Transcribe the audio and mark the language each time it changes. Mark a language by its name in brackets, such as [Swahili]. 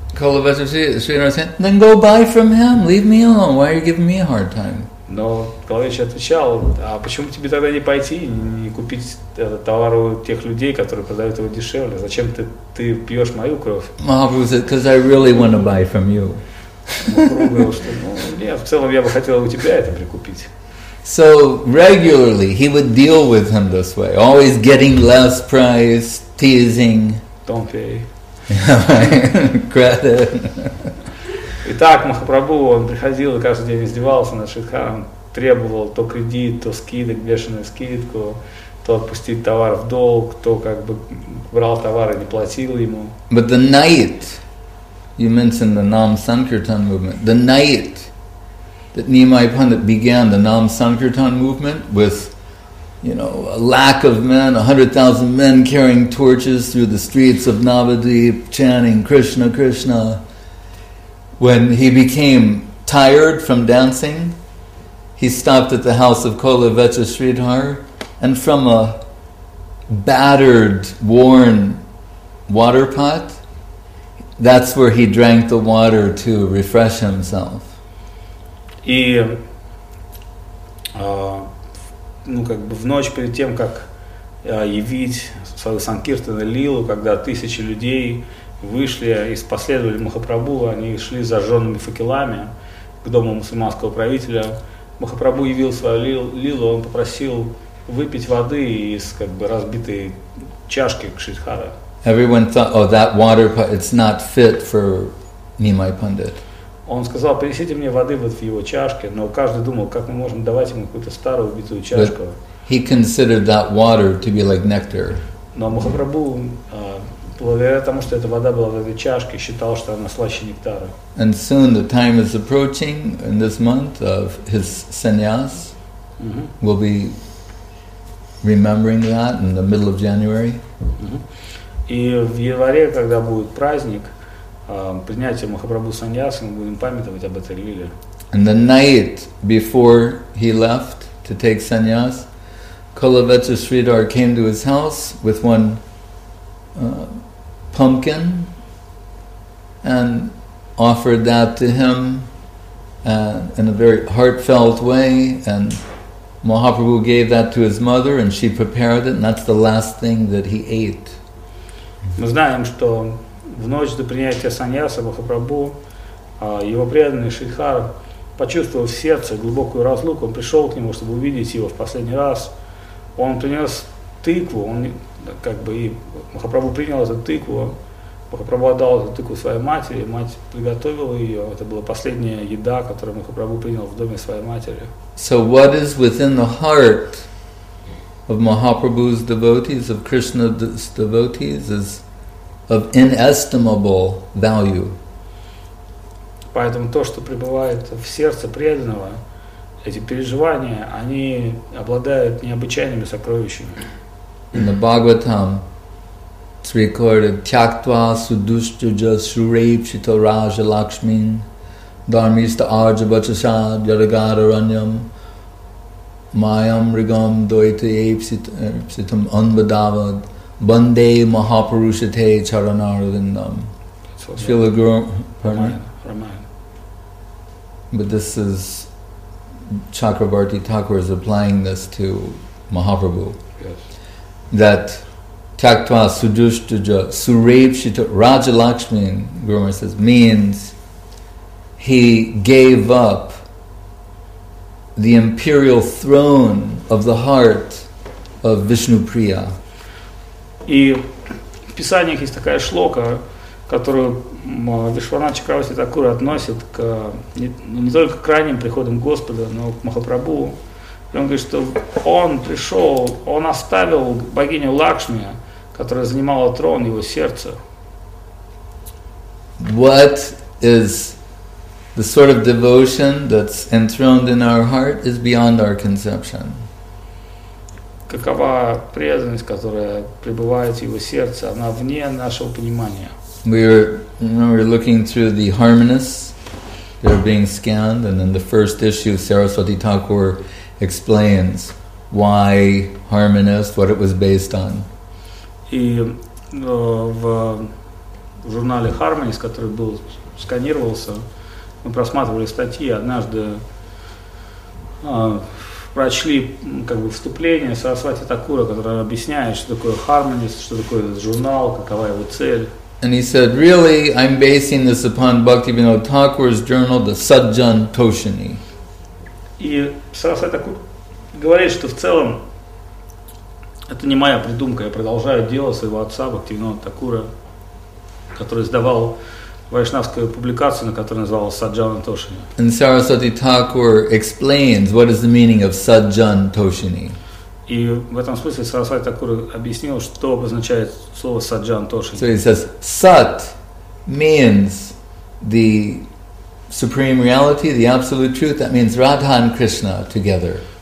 [English] Then go buy from him, leave me alone. Why are you giving me a hard time? [Russian] Но Калавечи отвечал: а почему тебе тогда не пойти и не купить этот товар у тех людей, которые продают его дешевле? Зачем ты пьешь мою кровь? [English] Mahaprabhu said, because I really want to buy from you. [Russian] Говорил, что, нет, в целом я бы хотел у тебя это прикупить. [English] So regularly he would deal with him this way, always getting less price, teasing. Don't pay. Credit. [Russian] Итак, Махапрабху, он приходил и каждый день издевался над Шридхаром, требовал то кредит, то скидок, бешеную скидку, то отпустить товар в долг, то как бы брал товар и не платил ему. [English] But the night, you mentioned the Nam Sankirtan movement, the night that Nimai Pandit began the Nam Sankirtan movement with, a lack of men, 100,000 men carrying torches through the streets of Navadvip, chanting Krishna, Krishna. When he became tired from dancing, he stopped at the house of Kolavecha Sridhar, and from a battered, worn water pot, that's where he drank the water to refresh himself. [Russian] И в ночь перед тем, как явить свою Санкиртану Лилу, когда тысячи людей вышли и последовали Махапрабху, они шли зажженными факелами к дому мусульманского правителя. Махапрабху явил свою Лилу, он попросил выпить воды из разбитой чашки Кшридхара. [English] Everyone thought, oh, that water, it's not fit for Nimai Pandit. [Russian] Он сказал, принесите мне воды вот в его чашке, но каждый думал, как мы можем давать ему какую-то старую убитую чашку. [English] But he considered that water to be like nectar. [Russian] Но Махапрабху, благодаря тому, что эта вода была в этой чашке, считал, что она слаще нектара. [English] And soon the time is approaching in this month of his sannyas. Mm-hmm. We'll be remembering that in the middle of January. Mm-hmm. [Russian] И в январе, когда будет праздник, принятие Махапрабху саньяса, мы будем памятовать об этой лиле. [English] And the night before he left to take sannyas, Kulavecha Sridhar came to his house with one pumpkin and offered that to him in a very heartfelt way, and Mahaprabhu gave that to his mother and she prepared it, and that's the last thing that he ate. [Russian] Мы знаем, что в ночь до принятия саньяса Махапрабху его преданный Шридхар почувствовал в сердце глубокую разлуку, он пришел к нему, чтобы увидеть его в последний раз. Он принес тыкву, он как бы и Махапрабху принял эту тыкву, Махапрабху отдал эту тыкву своей матери, мать приготовила ее, это была последняя еда, которую Махапрабху принял в доме своей матери. [English] So what is within the heart of Mahaprabhu's devotees, of Krishna's devotees, is of inestimable value. [Russian] Поэтому то, что пребывает в сердце преданного, эти переживания, они обладают необычайными сокровищами. [English] In the Bhagavatam, it's recorded, [Sanskrit] Tyaktva sudushtuja surepshita raja lakshmin dharmista arjabachasad yadagara ranyam mayam rigam doita epsitam anvadavad bande mahapurushate charanaravindam. [English] Srila Guru, pardon me? Ramayana. But this is Chakrabarti Thakur is applying this to Mahaprabhu. Yes. That Taktva Sudushtuja Surepshita Raja Lakshmin, Guru Maharaj says, means he gave up the imperial throne of the heart of Vishnupriya. [Russian] И в Писаниях есть такая шлока, которую Вишванат Чакраварти Такур относит к не только к крайним приходам Господа, но к Махапрабху. И он говорит, что он пришел, он оставил богиню Лакшми, которая занимала трон его сердца. [English] What is the sort of devotion that's enthroned in our heart is beyond our conception. [Russian] Какова преданность, которая пребывает в его сердце, она вне нашего понимания. [English] We were looking through the harmonists, they were being scanned, and in the first issue, Saraswati Thakur explains why harmonists, what it was based on. [Russian] И в журнале Harmonies, который был сканировался, мы просматривали статьи, однажды прочли как бы вступление Сарасвати Такура, которое объясняет, что такое Harmonies, что такое журнал, какова его цель. [English] And he said, really, I'm basing this upon Bhaktivinoda Thakur's journal, the Sajjan Toshini. [Russian] И Сарасвати Такур говорит, что в целом это не моя придумка, я продолжаю дело своего отца Бхактивинода Такура, который издавал вайшнавскую публикацию, на которой называлась Саджан Тошини. [English] And Saraswati Thakur explains what is the meaning of Саджан Тошини. [Russian] И в этом смысле Сарасвати Такур объяснил, что обозначает слово Саджан Тошини. [English] So he says, Sat means the supreme reality, the absolute truth, that means Radha and Krishna together.